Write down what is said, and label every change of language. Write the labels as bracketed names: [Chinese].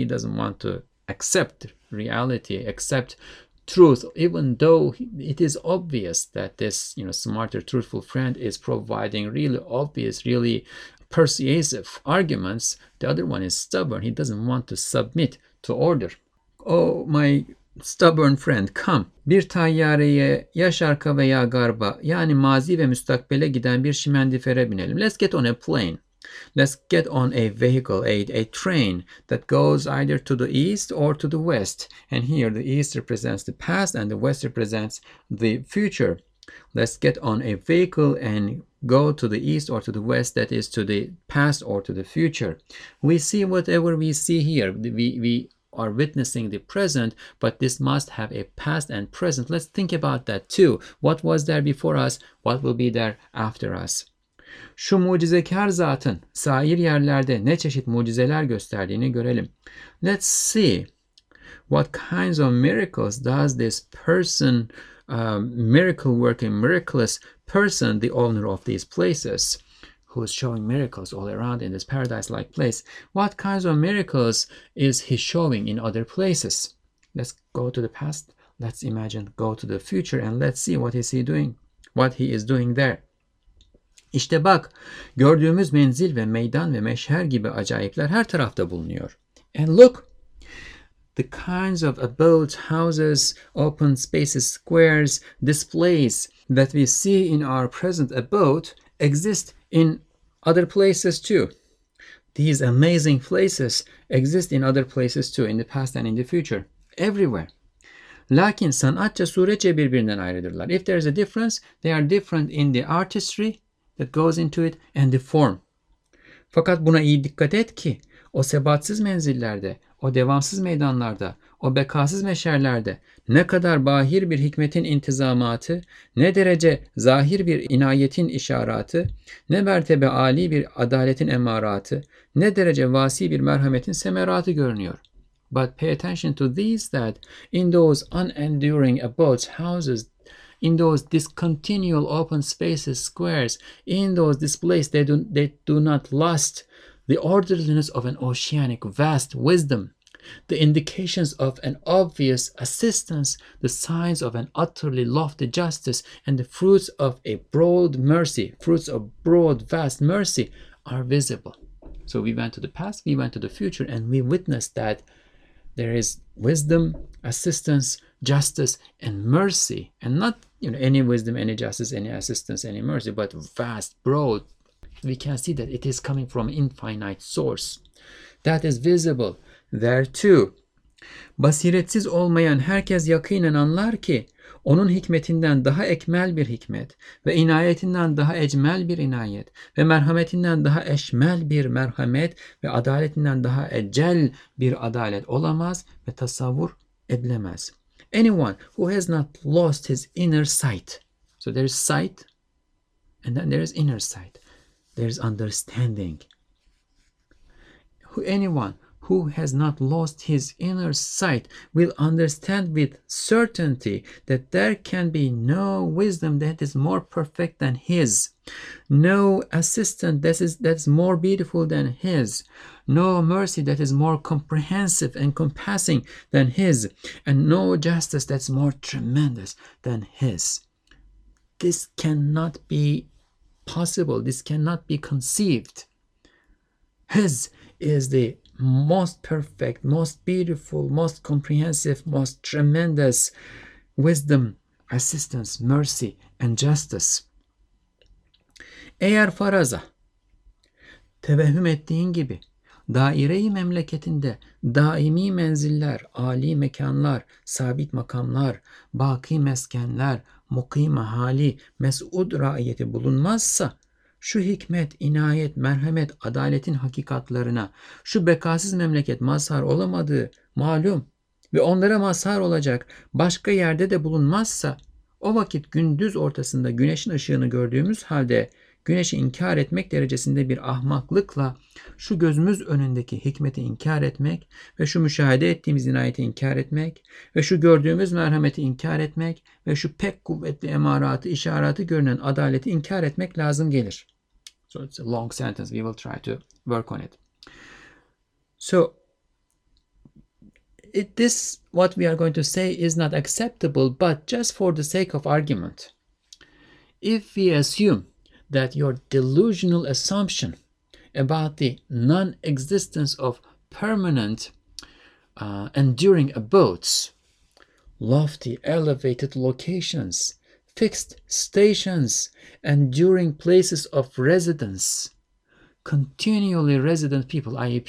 [English] He doesn't want to accept reality, accept truth, even though it is obvious that this, you know, smarter, truthful friend is providing really obvious, really persuasive arguments. The other one is stubborn. He doesn't want to submit to order. Oh, my stubborn friend, come. [Turkish] Bir tayyareye ya şarka veya garba, yani mazi ve müstakbele giden bir şimendifere binelim. [English] Let's get on a plane. Let's get on a vehicle, a train that goes either to the east or to the west. And here the east represents the past and the west represents the future. Let's get on a vehicle and go to the east or to the west, that is to the past or to the future. We see whatever we see here. We are witnessing the present, but this must have a past and present. Let's think about that too. What was there before us? What will be there after us? [Turkish] Şu mucizekâr zatın sair yerlerde ne çeşit mucizeler gösterdiğini görelim. [English] Let's see what kinds of miracles does this person, miracle working, miraculous person, the owner of these places, who is showing miracles all around in this paradise-like place, what kinds of miracles is he showing in other places? Let's go to the past. Let's imagine, go to the future, and let's see what is he doing, what he is doing there. [Turkish] İşte bak, gördüğümüz menzil ve meydan ve meşher gibi acayipler her tarafta bulunuyor. [English] And look, the kinds of abodes, houses, open spaces, squares, displays that we see in our present abode exist in other places too. These amazing places exist in other places too, in the past and in the future, everywhere. [Turkish] Lakin sanatça suretçe birbirinden ayrıdırlar. [English] If there is a difference, they are different in the artistry that goes into it and the form. [Turkish] Fakat buna iyi dikkat et ki o sebatsız menzillerde, o devamsız meydanlarda, o bekasız meşerlerde ne kadar bahir bir hikmetin intizamatı, ne derece zahir bir inayetin işaratı, ne mertebe âli bir adaletin emaratı, ne derece vasi bir merhametin semeratı görünüyor. [English] But pay attention to these, that in those unenduring abodes, houses, in those discontinual open spaces, squares, in those displays, they do not last the orderliness of an oceanic vast wisdom, the indications of an obvious assistance, the signs of an utterly lofty justice, and the fruits of a broad mercy, fruits of broad vast mercy are visible. So we went to the past, we went to the future, and we witnessed that there is wisdom, assistance, justice, and mercy. And not, you know, any wisdom, any justice, any assistance, any mercy, but vast, broad. We can see that it is coming from infinite source. That is visible there too. [Turkish] Basiretsiz olmayan herkes yakinen anlar ki, onun hikmetinden daha ekmel bir hikmet ve inayetinden daha ecmel bir inayet ve merhametinden daha eşmel bir merhamet ve adaletinden daha ecel bir adalet olamaz ve tasavvur edilemez. [English] Anyone who has not lost his inner sight. So there is sight and then there is inner sight. There is understanding. Anyone who has not lost his inner sight will understand with certainty that there can be no wisdom that is more perfect than his, no assistant that is more beautiful than his, no mercy that is more comprehensive and compassing than his, and no justice that's more tremendous than his. This cannot be possible. This cannot be conceived. His is the most perfect, most beautiful, most comprehensive, most tremendous wisdom, assistance, mercy, and justice. [Turkish] Eğer faraza, tevehüm ettiğin gibi, daire-i memleketinde daimi menziller, âli mekanlar, sabit makamlar, baki meskenler, mukim hali, mes'ud raiyeti bulunmazsa, şu hikmet, inayet, merhamet, adaletin hakikatlarına, şu bekasız memleket mazhar olamadığı malum ve onlara mazhar olacak başka yerde de bulunmazsa, o vakit gündüz ortasında güneşin ışığını gördüğümüz halde güneşi inkar etmek derecesinde bir ahmaklıkla şu gözümüz önündeki hikmeti inkar etmek ve şu müşahede ettiğimiz inayeti inkar etmek ve şu gördüğümüz merhameti inkar etmek ve şu pek kuvvetli emaratı, işaratı görünen adaleti inkar etmek lazım gelir. [English] So it's a long sentence. We will try to work on it. So this, what we are going to say is not acceptable, but just for the sake of argument, if we assume that your delusional assumption about the non-existence of permanent enduring abodes, lofty elevated locations, fixed stations, enduring places of residence, continually resident people, i.e.